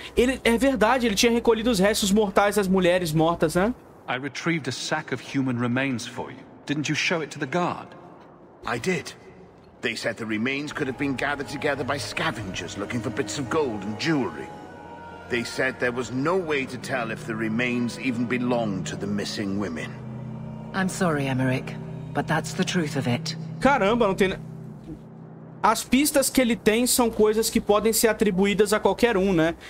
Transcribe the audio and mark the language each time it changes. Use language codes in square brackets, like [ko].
[pt] Ele é verdade, ele tinha recolhido os restos mortais das mulheres mortas, né? [en] I retrieved a sack of human remains for you. Didn't you show it to the guard? I did. They said the remains could have been gathered together by scavengers looking for bits of gold and jewelry. They said there was no way to tell if the remains even belonged to the missing women. I'm sorry, Emmerich, but that's the truth of it. [pt] Caramba, não tem... As pistas que ele tem são coisas que podem ser atribuídas a qualquer um, né?